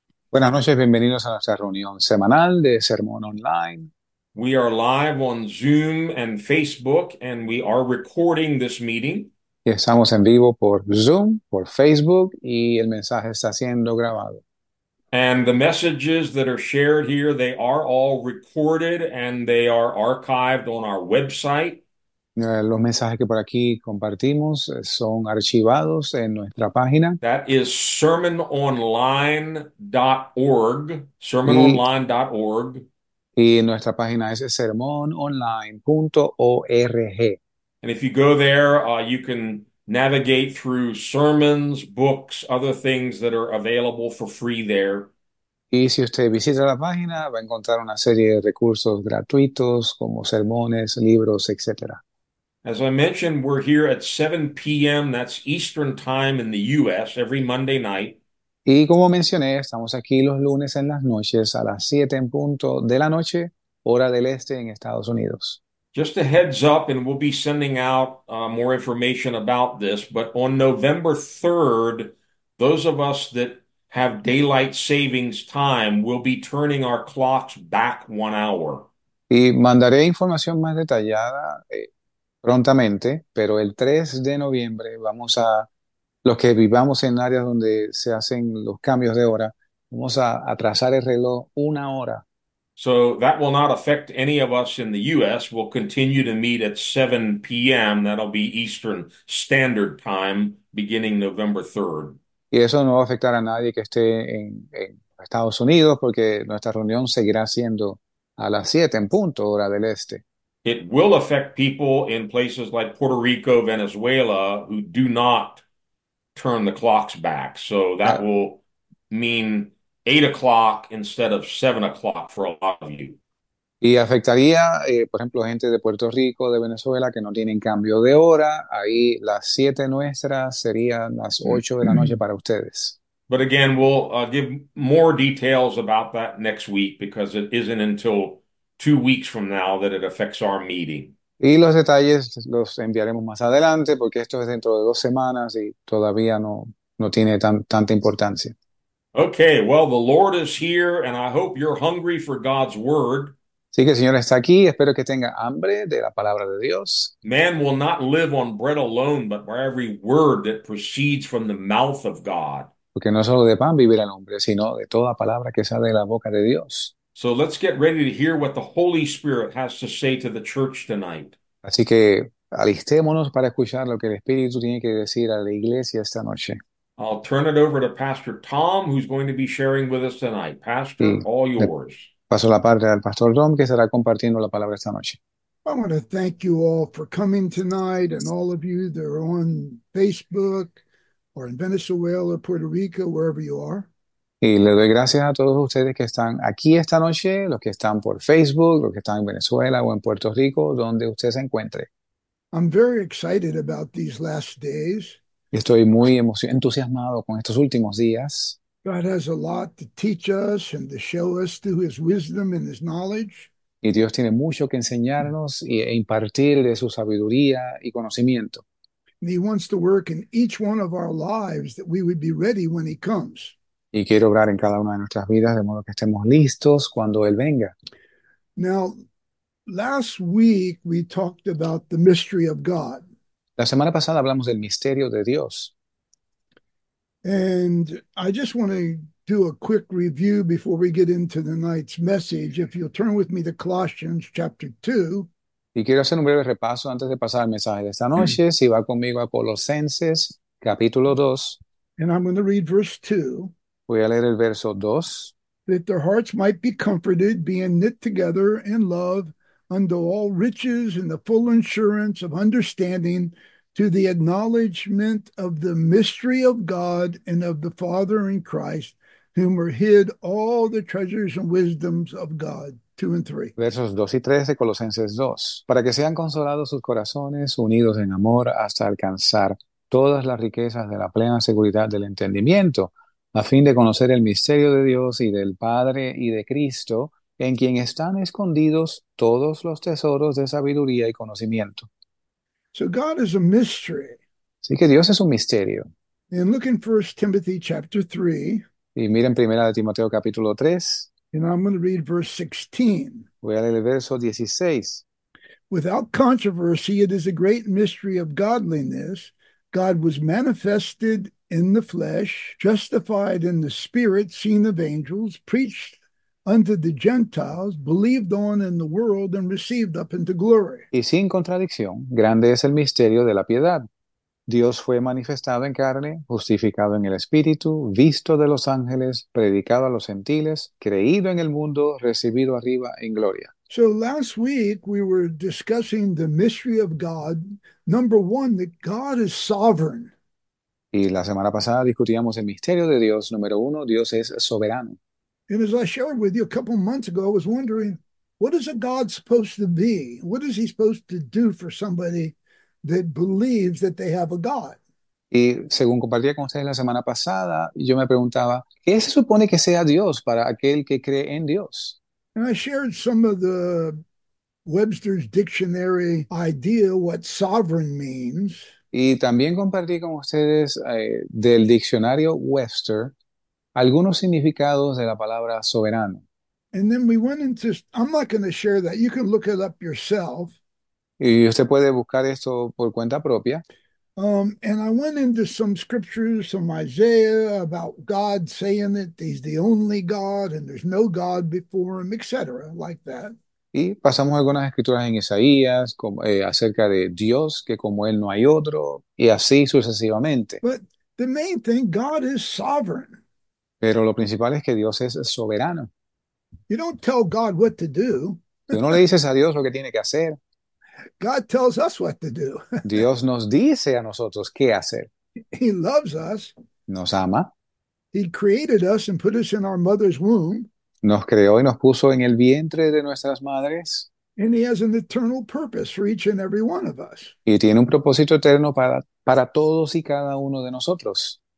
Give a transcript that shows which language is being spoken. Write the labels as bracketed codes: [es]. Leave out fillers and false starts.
[es] Buenas noches, bienvenidos a nuestra reunión semanal de Sermón Online. [en] We are live on Zoom and Facebook, and we are recording this meeting. [es] Y estamos en vivo por Zoom, por Facebook, y el mensaje está siendo grabado. [en] And the messages that are shared here, they are all recorded and they are archived on our website. [es] Los mensajes que por aquí compartimos son archivados en nuestra página. [en] That is sermononline.org, [es] Y sermononline.org. nuestra página es sermononline.org. [en] And if you go there, you can navigate through sermons, books, other things that are available for free there. [es] Y si usted visita la página, va a encontrar una serie de recursos gratuitos como sermones, libros, etcétera. [en] As I mentioned, we're here at 7 p.m. That's Eastern time in the U.S. every Monday night. [es] Y como mencioné, estamos aquí los lunes en las noches a las 7 en punto de la noche, hora del este en Estados Unidos. [en] Just a heads up, and we'll be sending out more information about this, but on November 3rd, those of us that have daylight savings time will be turning our clocks back 1 hour. [es] Y mandaré información más detallada prontamente, pero el 3 de noviembre vamos a... Los que vivamos en áreas donde se hacen los cambios de hora, vamos a atrasar el reloj 1 hora. [en] So that will not affect any of us in the US. We'll continue to meet at 7 p.m. That'll be Eastern Standard Time, beginning November 3rd. [es] Y eso no va a afectar a nadie que esté en Estados Unidos, porque nuestra reunión seguirá siendo a las 7 en punto, hora del este. [en] It will affect people in places like Puerto Rico, Venezuela, who do not turn the clocks back. So that will mean 8 o'clock instead of 7 o'clock for a lot of you. [es] Y afectaría, por ejemplo, gente de Puerto Rico, de Venezuela, que no tienen cambio de hora. Ahí las 7 nuestras serían las 8 de la noche para ustedes. [en] But again, we'll give more details about that next week because it isn't until 2 weeks from now that it affects our meeting. [es] Y los detalles los enviaremos más adelante porque esto es dentro de 2 semanas y todavía no tiene tanta importancia. [en] Okay, well, the Lord is here, and I hope you're hungry for God's word. [es] Así que el Señor está aquí, espero que tenga hambre de la palabra de Dios. [en] Man will not live on bread alone, but by every word that proceeds from the mouth of God. [es] Porque no solo de pan vivirá el hombre, sino de toda palabra que sale de la boca de Dios. [en] So let's get ready to hear what the Holy Spirit has to say to the church tonight. [es] Así que alistémonos para escuchar lo que el Espíritu tiene que decir a la iglesia esta noche. [en] I'll turn it over to Pastor Tom, who's going to be sharing with us tonight. Pastor, [es] Y [en] all yours. [es] paso la parte al pastor Dom, que estará compartiendo la palabra esta noche. [en] I want to thank you all for coming tonight and all of you that are on Facebook or in Venezuela or Puerto Rico, wherever you are. [es] Y le doy gracias a todos ustedes que están aquí esta noche, los que están por Facebook, los que están en Venezuela o en Puerto Rico, donde usted se encuentre. [en] I'm very excited about these last days. [es] Y estoy muy entusiasmado con estos últimos días. [en] God has a lot to teach us and to show us through his wisdom and his knowledge. [es] Y Dios tiene mucho que enseñarnos e impartir de su sabiduría y conocimiento. [en] He wants to work in each one of our lives that we would be ready when he comes. [es] Y quiere obrar en cada una de nuestras vidas de modo que estemos listos cuando Él venga. [en] Now, last week we talked about the mystery of God. [es] La semana pasada hablamos del misterio de Dios. [en] And I just want to do a quick review before we get into tonight's message. If you'll turn with me to Colossians chapter 2. [es] Y quiero hacer un breve repaso antes de pasar al mensaje de esta [en] And [es] noche. Si va conmigo a Colosenses, capítulo 2, [en] I'm going to read verse 2. [es] voy a leer el verso 2. [en] That their hearts might be comforted, being knit together in love, unto all riches and the full assurance of understanding. To the acknowledgement of the mystery of God and of the Father in Christ, whom are hid all the treasures and wisdoms of God. 2 and 3. [es] Versos 2 y 3 de Colosenses 2, para que sean consolados sus corazones, unidos en amor, hasta alcanzar todas las riquezas de la plena seguridad del entendimiento, a fin de conocer el misterio de Dios y del Padre y de Cristo, en quien están escondidos todos los tesoros de sabiduría y conocimiento. [en] So God is a mystery. [es] Así que Dios es un misterio. [en] And look in 1 Timothy chapter 3. [es] Y miren primera de Timoteo capítulo 3. [en] And I'm going to read verse 16. [es] Voy a leer el verso 16. [en] Without controversy, it is a great mystery of godliness. God was manifested in the flesh, justified in the spirit, seen of angels, preached unto the Gentiles, believed on in the world, and received up into glory. [es] Y sin contradicción, grande es el misterio de la piedad. Dios fue manifestado en carne, justificado en el Espíritu, visto de los ángeles, predicado a los gentiles, creído en el mundo, recibido arriba en gloria. [en] So last week we were discussing the mystery of God. Number one, that God is sovereign. [es] Y la semana pasada discutíamos el misterio de Dios. Número uno, Dios es soberano. [en] And as I shared with you a couple months ago, I was wondering, what is a God supposed to be? What is he supposed to do for somebody that believes that they have a God? [es] Y según compartía con ustedes la semana pasada, yo me preguntaba, ¿qué se supone que sea Dios para aquel que cree en Dios? [en] And I shared some of the Webster's dictionary idea what sovereign means. [es] Y también compartí con ustedes del diccionario Webster algunos significados de la palabra soberano. [en] And then we went into, I'm not going to share that. You can look it up yourself. [es] Y usted puede buscar esto por cuenta propia. [en] And I went into some scriptures from Isaiah about God saying that he's the only God and there's no God before him, etc., like that. [es] Y pasamos algunas escrituras en Isaías como, acerca de Dios, que como Él no hay otro, y así sucesivamente. [en] But the main thing, God is sovereign. [es] Pero lo principal es que Dios es soberano. [en] You don't tell God what to do. [es] Tú no le dices a Dios lo que tiene que hacer. [en] God tells us what to do. [es] Dios nos dice a nosotros qué hacer. [en] He loves us. [es] Nos ama. [en] He created us and put us in our mother's womb. [es] Nos creó y nos puso en el vientre de nuestras madres. [en] And he has an eternal purpose for each and every one of us. [es] Y tiene un propósito eterno para todos y cada uno de nosotros.